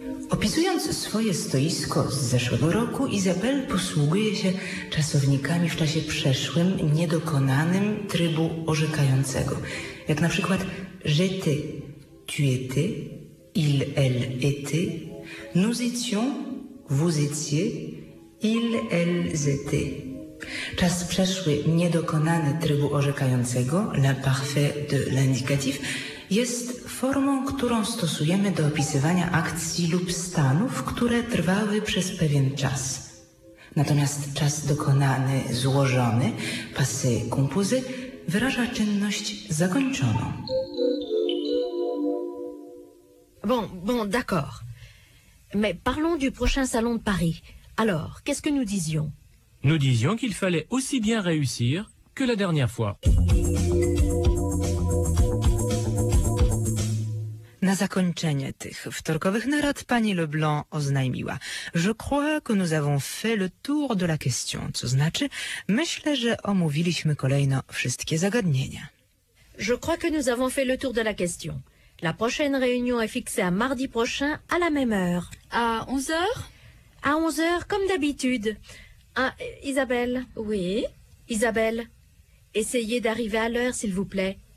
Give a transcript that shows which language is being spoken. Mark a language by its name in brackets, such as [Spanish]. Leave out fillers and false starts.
[Polish] Opisując swoje stoisko z zeszłego roku, Izabel posługuje się czasownikami w czasie przeszłym, niedokonanym trybu orzekającego. Jak na przykład [French] j'étais, tu étais, il, elle était, nous étions, vous étiez, ils, elles étaient. [Polish] Czas przeszły, niedokonany trybu orzekającego, [French] l'imparfait de l'indicatif, [Polish] jest formą, którą stosujemy do opisywania akcji lub stanów, które trwały przez pewien czas. Natomiast czas dokonany, złożony, passé composé, wyraża czynność zakończoną. [French] Bon, d'accord. Mais parlons du prochain salon de Paris. Alors, qu'est-ce que nous disions? Nous disions qu'il fallait aussi bien réussir que la dernière fois. [Polish] Na zakończenie tych wtorkowych narad pani Leblanc oznajmiła: [French] Je crois que nous avons fait le tour de la question, [Polish] co znaczy, myślę, że omówiliśmy kolejno wszystkie zagadnienia. [French] Je crois que nous avons fait le tour de la question. La prochaine réunion est fixée à mardi prochain à la même heure. À 11h? À 11h, comme d'habitude. Ah, Isabelle? Oui? Isabelle, essayez d'arriver à l'heure, s'il vous plaît.